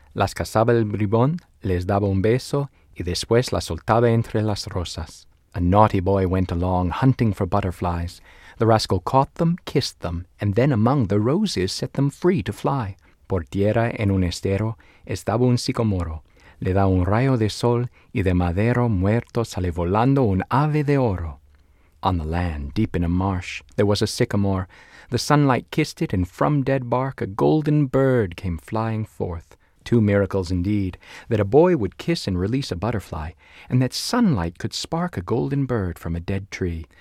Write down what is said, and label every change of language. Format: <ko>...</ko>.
<es>Las cazaba el bribón, les daba un beso y después las soltaba entre las rosas.</es> <en>A naughty boy went along hunting for butterflies. The rascal caught them, kissed them, and then among the roses set them free to fly.</en> <es>Por tierra en un estero estaba un sicomoro. Le da un rayo de sol y de madero muerto sale volando un ave de oro.</es> <en>On the land, deep in a marsh, there was a sycamore. The sunlight kissed it, and from dead bark a golden bird came flying forth. Two miracles indeed, that a boy would kiss and release a butterfly, and that sunlight could spark a golden bird from a dead tree.</en>